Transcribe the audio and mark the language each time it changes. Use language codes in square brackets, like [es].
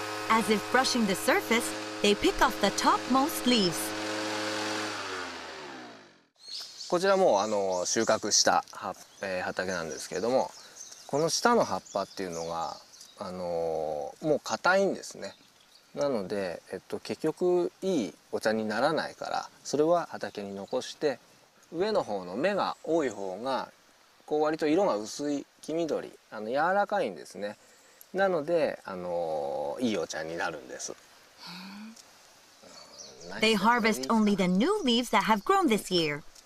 [en] As if brushing the surface, they pick off the topmost leaves. [ja] こちらもあの収穫した畑なんですけれども、この下の葉っぱっていうのがあのもう硬いんですね。なので結局いいお茶にならないから、それは畑に残して上の方の芽が多い方がこう割と色が薄い黄緑、あの柔らかいんですね。なのでいいお茶になるんです。 [en] They harvest only the new leaves that have grown this year.